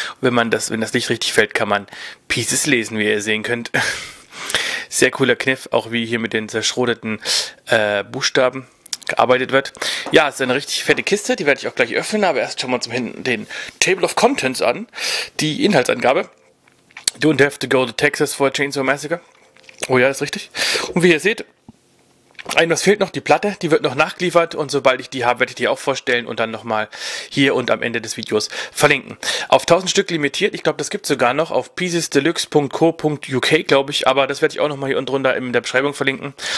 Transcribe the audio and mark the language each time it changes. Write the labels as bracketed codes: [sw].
[de] Und wenn das Licht richtig fällt, kann man Pieces lesen, wie ihr sehen könnt. Sehr cooler Kniff, auch wie hier mit den zerschrodeten Buchstaben gearbeitet wird. Ja, es ist eine richtig fette Kiste, die werde ich auch gleich öffnen, aber erst schauen wir uns zum Hinten den Table of Contents an. Die Inhaltsangabe. [en] Don't have to go to Texas for a Chainsaw Massacre. [de] Oh ja, ist richtig. Und wie ihr seht, was fehlt noch, die Platte, die wird noch nachgeliefert und sobald ich die habe, werde ich die auch vorstellen und dann nochmal hier und am Ende des Videos verlinken. Auf 1000 Stück limitiert, ich glaube, das gibt es sogar noch auf piecesdeluxe.co.uk, glaube ich, aber das werde ich auch nochmal hier unten drunter in der Beschreibung verlinken.